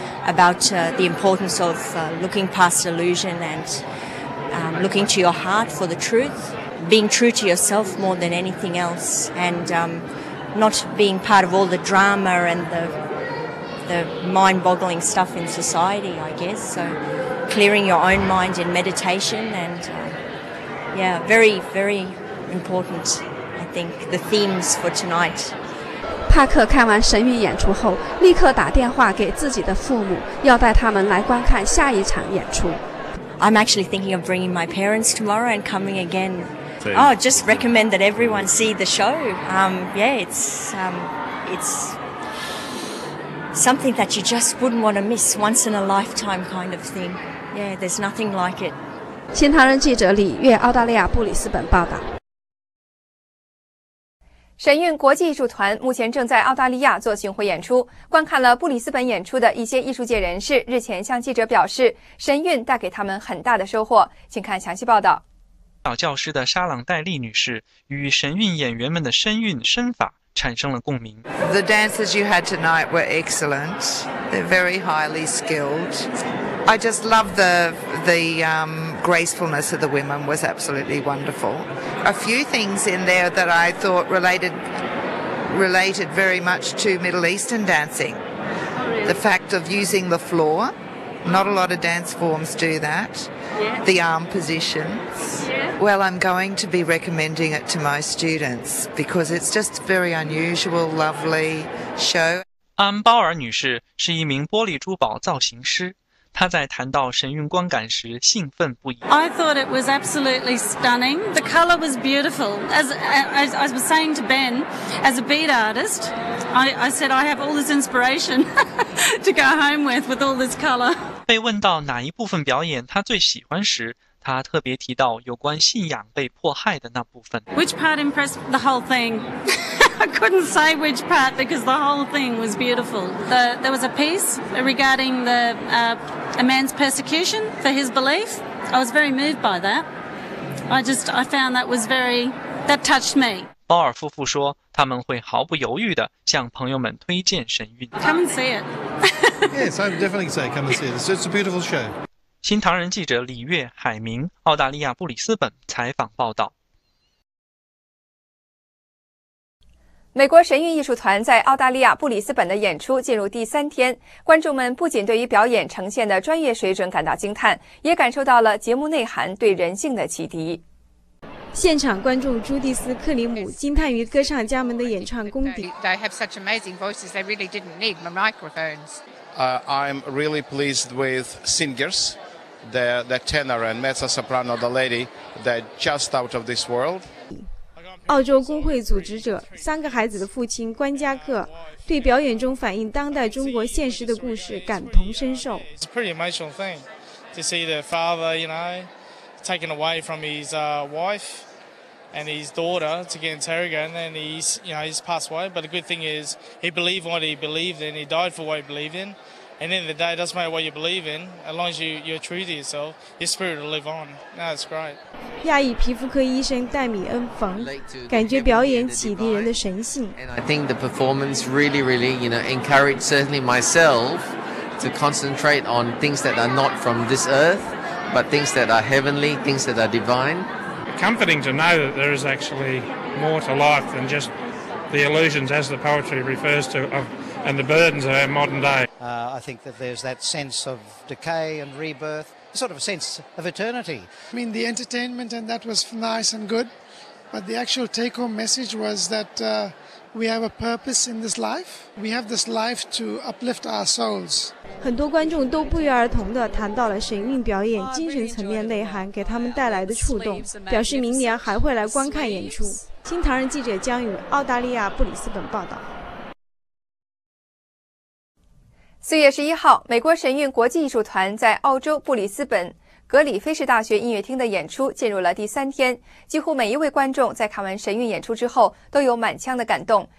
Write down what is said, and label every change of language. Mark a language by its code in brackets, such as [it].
[en] about the importance of looking past illusion and looking to your heart for the truth, being true to yourself more than anything else, and not being part of all the drama and the mind-boggling stuff in society, I guess, so... clearing your own mind in meditation and very, very important, I think, the themes for tonight. [zh] 帕克看完神韵演出后，立刻打电话给自己的父母，要带他们来观看下一场演出。 [en] I'm actually thinking of bringing my parents tomorrow and coming again. Oh, just recommend that everyone see the show. It's something that you just wouldn't want to miss, once in a lifetime kind of thing. Yeah, there's nothing like it. [zh] 新唐人记者李月，澳大利亚布里斯本报道。神韵国际艺术团目前正在澳大利亚做巡回演出，观看了布里斯本演出的一些艺术界人士日前向记者表示，神韵带给他们很大的收获，请看详细报道。老教师的沙朗戴利女士与神韵演员们的身韵身法产生了共鸣。 [en] The dancers you had tonight were excellent. They're very highly skilled. I just love the gracefulness of the women was absolutely wonderful. A few things in there that I thought related very much to Middle Eastern dancing. The fact of using the floor. Not a lot of dance forms do that. The arm positions. Well, I'm going to be recommending it to my students because it's just a very unusual, lovely show. [zh] 安包尔女士是一名玻璃珠宝造型师，她在谈到神韵观感时兴奋不已。 [en] I thought it was absolutely stunning. The color was beautiful. As I was saying to Ben, as a bead artist, I said I have all this inspiration to go home with all this color. [zh] 被问到哪一部分表演她最喜欢时，他特别提到有关信仰被迫害的那部分。 [en] Which part impressed the whole thing? I couldn't say which part because the whole thing was beautiful. There was a piece regarding a man's persecution for his belief. I was very moved by that. I found that touched me. [zh] 包尔夫妇说，他们会毫不犹豫地向朋友们推荐神韵。 [en] Come and see it. Yes, I would definitely say come and see it. It's a beautiful show. [zh] 新唐人记者李月、海明，澳大利亚布里斯本采访报道。美国神韵艺术团在澳大利亚布里斯本的演出进入第三天，观众们不仅对于表演呈现的专业水准感到惊叹，也感受到了节目内涵对人性的启迪。现场观众朱蒂斯·克里姆惊叹于歌唱家们的演唱功底。 [en] They have such amazing voices. They really didn't need microphones. I'm really pleased with singers. The tenor and mezzo-soprano, the lady, they're just out of this world. [zh] 澳洲工会组织者、三个孩子的父亲关嘉克对表演中反映当代中国现实的故事感同身受。 [en] It's a pretty emotional thing to see the father, you know, taken away from his wife and his daughter to get interrogated, and he's, you know, he's passed away. But the good thing is he believed what he believed in, he died for what he believed in. And in the day, it doesn't matter what you believe in, as long as you're true to yourself, your spirit will live on. That's great. [zh] 亚裔皮肤科医生戴米恩·冯感觉表演启迪人的神性。 [en] I think the performance really, really, you know, encouraged certainly myself to concentrate on things that are not from this earth, but things that are heavenly, things that are divine. Comforting to know that there is actually more to life than just the illusions, as the poetry refers to, and the burdens of our modern day. I think that there's that sense of decay and rebirth, sort of a sense of eternity. I mean, the entertainment and that was nice and good, but the actual take-home message was that we have a purpose in this life. We have this life to uplift our souls. [zh] 很多观众都不约而同地谈到了神韵表演精神层面内涵给他们带来的触动，表示明年还会来观看演出。新唐人记者江宇，澳大利亚布里斯本报道。 4月11号，美国神韵国际艺术团在澳洲布里斯本格里菲士大学音乐厅的演出进入了第三天，几乎每一位观众在看完神韵演出之后都有满腔的感动。